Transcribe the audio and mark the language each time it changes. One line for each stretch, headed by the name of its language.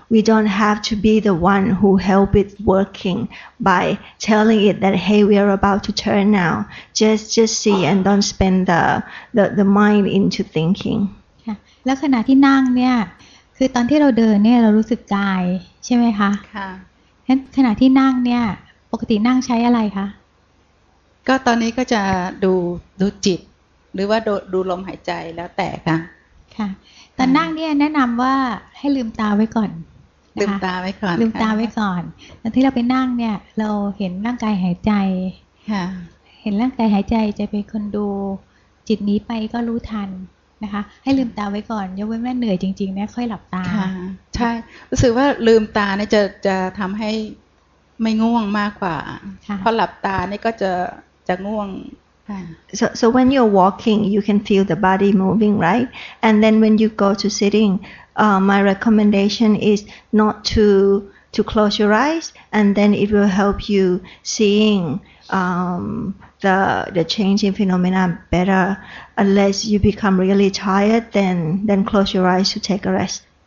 English: We don't have to be the one who help it working by telling it that, hey, we are about to turn now. Just see and don't spend the mind into thinking. Yeah. And when we sit,
Thai: อตอนที่เราเดินเนี่ยเรารู้สึกกายใช่ไหมคะ ค่ะ งั้นขณะที่นั่งเนี่ยปกตินั่งใช้อะไรคะ ก็ตอนนี้ก็จะดูจิตหรือว่าดูลมหายใจแล้วแต่ค่ะ ค่ะตอนนั่งเนี่ยแนะนำว่าให้ลืมตาไว้ก่อน ลืมตาไว้ก่อน ลืมตาไว้ก่อนตอนที่เราไปนั่งเนี่ยเราเห็นร่างกายหายใจเห็นร่างกายหายใจจะเป็นคนดูจิตนี้ไปก็รู้ทันนะคะให้ลืมตาไว้ก่อนยกเว้นแม่เหนื่อยจริงๆแม่ค่อยหลับตา ใช่รู้สึกว่าลืมตาเนี่ยจะทำให้ไม่ง่วงมากกว่าพอหลับตานี่ก็จะง่วง
English: So when you're walking you can feel the body moving right and then when you go to sittingmy recommendation is not to close your eyes and then it will help you seeingthe changing phenomena better unless you become really tired then close your eyes to take a rest